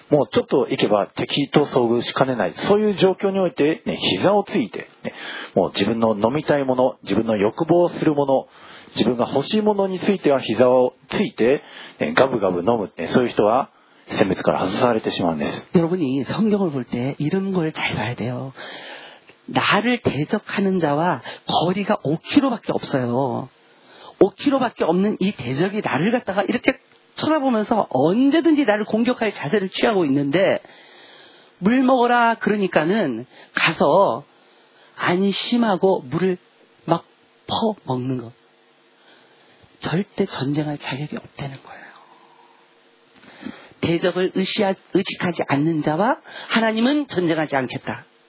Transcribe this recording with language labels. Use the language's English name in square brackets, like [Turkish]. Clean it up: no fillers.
[Japanese] もうちょっと行けば敵と遭遇しかねない。そういう状況において、ね、膝をついて、ね、もう自分の飲みたいもの、自分の欲望するもの、自分が欲しいものについては膝をついて、ね、ガブガブ飲む、ね。そういう人は選別から外されてしまうんです。 [Korean] 여러분이성경을볼때이런걸잘봐야돼요。 나를대적하는자와거리가 5km 밖에없어요。 5km 밖에없는이대적이나를갖다가이렇게쳐다보면서언제든지나를공격할자세를취하고있는데물먹어라그러니까는가서안심하고물을막퍼먹는거절대전쟁할자격이없다는거예요대적을의식하지않는자와하나님은전쟁하지않겠다